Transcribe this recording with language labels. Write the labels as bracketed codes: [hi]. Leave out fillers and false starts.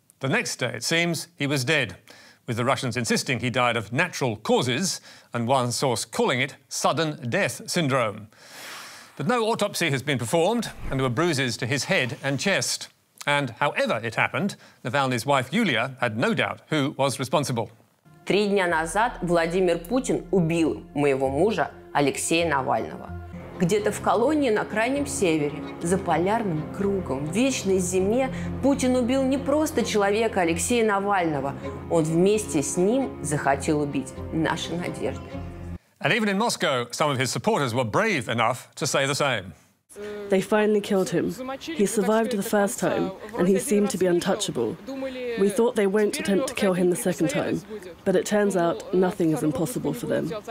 [en] The next day, it seems, he was dead, with the Russians insisting he died of natural causes and one source calling it sudden death syndrome. But no autopsy has been performed and there were bruises to his head and chest. And however it happened, Navalny's wife Yulia had no doubt who was responsible. [ru] 3 days назад Владимир Путин убил моего мужа Алексея Навального. Где-то в колонии на крайнем севере, за полярным кругом, в вечной зиме, Путин убил не просто человека Алексея Навального. Он вместе с ним захотел убить наши надежды. [en] And even in Moscow, some of his supporters were brave enough to say the same. They finally killed him. He survived the first time, and he seemed to be untouchable. We thought they won't attempt to kill him the second time, but it turns out nothing is impossible for them.